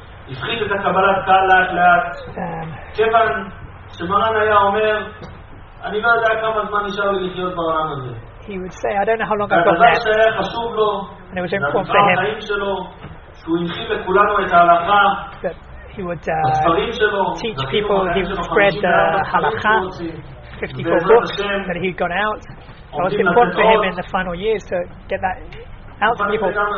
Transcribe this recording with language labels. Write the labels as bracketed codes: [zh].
[he] הפחית את הקבלת קהל לאט לאט כיוון שמרן היה אומר אני לא יודע כמה זמן נשאר לי לחיות בעולם הזה. [en] He would say, I don't know how long I've got left. [he] הדבר שהיה חשוב לו, [en] and it was important for him, [he] החיים שלו, שהוא הנחיל לכולנו את ההלכה. [en] That he would teach people, he would spread the halakha, 54 books that he got out. That was important for him in the final years to get that out to people.